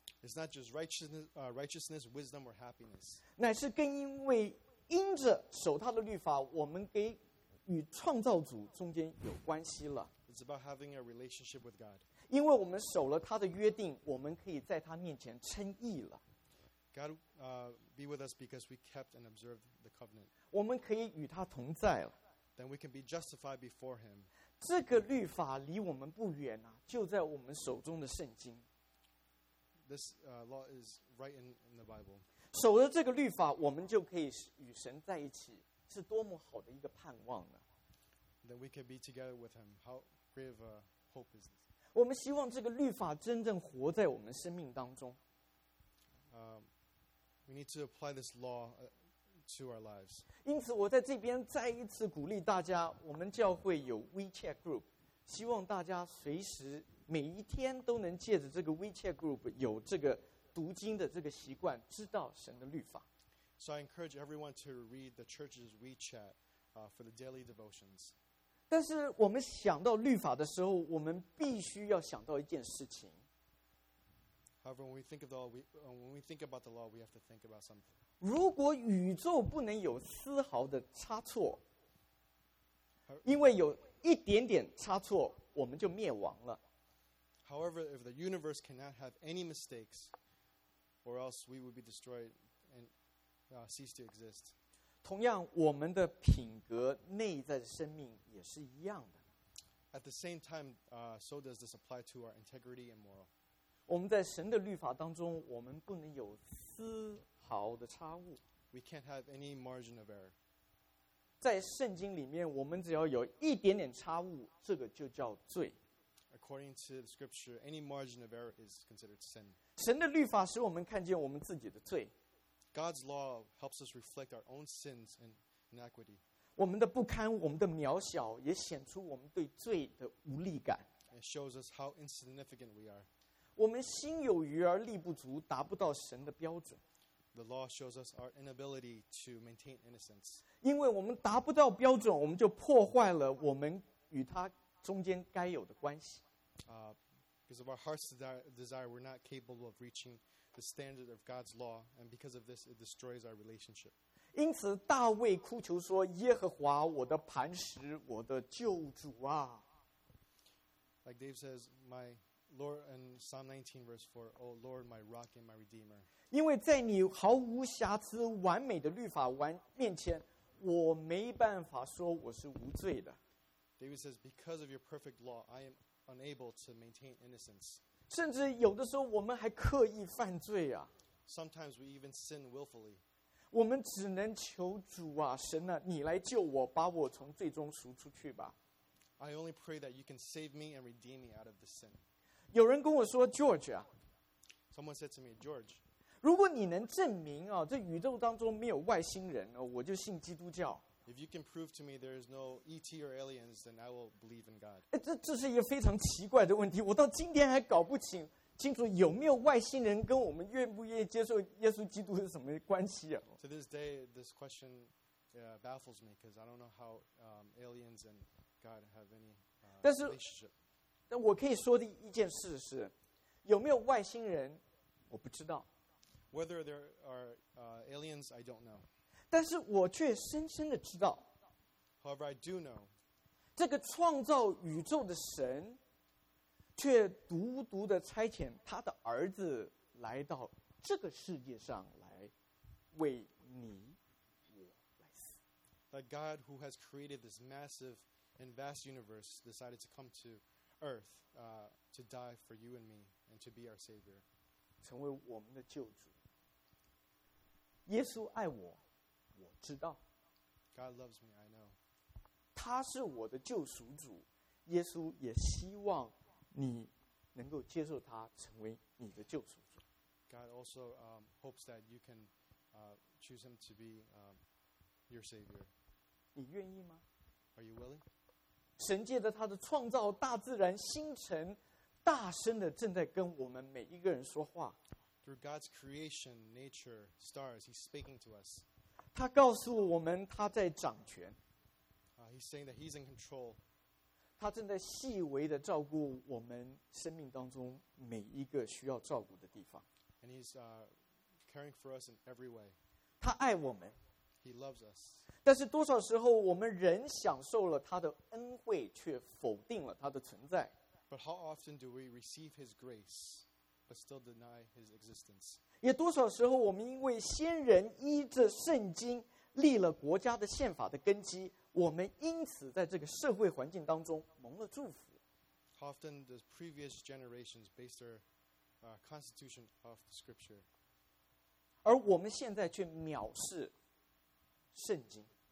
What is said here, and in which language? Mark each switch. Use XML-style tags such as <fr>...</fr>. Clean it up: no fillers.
<en>It's not just righteousness, wisdom, or happiness.</en> <zh>乃是更因为因着守他的律法，我们给与创造主中间有关系了。</zh> <en>It's about having a relationship with God.</en> <zh>因为我们守了他的约定，我们可以在他面前称义了。</zh> <en>God be with us because we kept and observed the covenant.</en> <zh>我们可以与他同在了。</zh> <en>Then we can be justified before him.</en> <zh>这个律法离我们不远啊，就在我们手中的圣经。</zh> <en>This law is right in the Bible.</en> <zh>守了这个律法，我们就可以与神在一起，是多么好的一个盼望呢？</zh> <en>Then we can be together with him. How great of a hope is this?</en> <zh>我们希望这个律法真正活在我们生命当中。</zh> <en>We need to apply this law to our lives.</en> <zh>因此，我在这边再一次鼓励大家，我们教会有 WeChat Group， 希望大家随时每一天都能借着这个 WeChat Group 有这个读经的这个习惯，知道神的律法。</zh> <en>So I encourage everyone to read the church's WeChat for the daily devotions.</en> <zh>但是我们想到律法的时候，我们必须要想到一件事情。</zh> <en>However, when we think of the law, when we think about the law, we have to think about something.</en> <zh>如果宇宙不能有丝毫的差错，因为有一点点差错，我们就灭亡了。</zh> <en>However, if the universe cannot have any mistakes, or else we would be destroyed and cease to exist.</en> <zh>同样，我们的品格、内在的生命也是一样的。</zh> <en>At the same time, so does this apply to our integrity and moral.</en> <zh>我们在神的律法当中，我们不能有丝毫的差误。</zh> <en>We can't have any margin of error.</en> <zh>在圣经里面，我们只要有一点点差误，这个就叫罪。</zh> <en>According to the scripture, any margin of error is considered sin.</en> <zh>神的律法使我们看见我们自己的罪。</zh> <en>God's law helps us reflect our own sins and inequity.</en> <zh>我们的不堪，我们的渺小，也显出我们对罪的无力感。</zh> <en>It shows us how insignificant we are.</en> <zh>我们心有余而力不足，达不到神的标准。</zh> <en>The law shows us our inability to maintain innocence.</en> <zh>因为我们达不到标准，我们就破坏了我们与他中间该有的关系。</zh> <en>Because of our heart's desire, we're not capable of reaching the standard of God's law, and because of this, it destroys our relationship.</en> <zh>因此，大卫哭求说：“耶和华，我的磐石，我的救主啊！”</zh> <en>Like Dave says, my Lord, in Psalm 19, verse 4, O Lord, my rock and my redeemer.</en> <zh>因为在你毫无瑕疵、完美的律法面前，我没办法说我是无罪的。</zh> <en>David says, because of your perfect law, I am unable to maintain innocence.</en> <zh>甚至有的时候我们还刻意犯罪啊。</zh> <en>Sometimes we even sin willfully.</en> <zh>我们只能求主啊，神啊，你来救我，把我从罪中赎出去吧。</zh> <en>I only pray that you can save me and redeem me out of the sin.</en> <zh>有人跟我说 ,George 啊。</zh> <en>Someone said to me, George.</en> <zh>如果你能证明啊，这宇宙当中没有外星人啊，我就信基督教。</zh> <en>If you can prove to me there is no ET or aliens, then I will believe in God.</en> <zh>这是一个非常奇怪的问题，我到今天还搞不清清楚有没有外星人跟我们愿不愿意接受耶稣基督是什么关系啊。</zh> <en>To this day, this question baffles me because I don't know how aliens and God have any relationship.</en> <zh>但我可以说的一件事是，有没有外星人，我不知道。</zh> <en>Whether there are aliens, I don't know.</en> <zh>但是我却深深的知道</zh> <en>However, I do know,</en> <zh>这个创造宇宙的神却独独的差遣他的儿子来到这个世界上来为你我来死</zh> <en>That God who has created this massive and vast universe decided to come to earth to die for you and me and to be our savior</en> <zh>成为我们的救主耶稣爱我我知道</zh> <en>God loves me, I know.</en> <zh>他是我的救赎主，耶稣也希望你能够接受他成为你的救赎主。</zh> <en>God also hopes that you can choose him to be your savior.</en> <zh>你愿意吗</zh> <en>？Are you willing?</en> <zh>神借着他的创造，大自然、星辰，大声的正在跟我们每一个人说话。</zh> <en>Through God's creation, nature, stars, He's speaking to us.</en> <zh>他告诉我们他在掌权。</zh> <en>He's saying that he's in control.</en> <zh>他正在细微的照顾我们生命当中每一个需要照顾的地方。</zh> <en>And he's caring for us in every way.</en> <zh>他爱我们。</zh> <en>He loves us.</en> <zh>但是多少时候我们人享受了他的恩惠却否定了他的存在。</zh> <en>But how often do we receive his grace but still deny his existence?</en> <zh>也多少时候我们因为先人依着圣经立了国家的宪法的根基我们因此在这个社会环境当中蒙了祝福</zh> <en>How often does previous generations base their constitution of the scripture</en> <zh>而我们现在却藐视圣经</zh>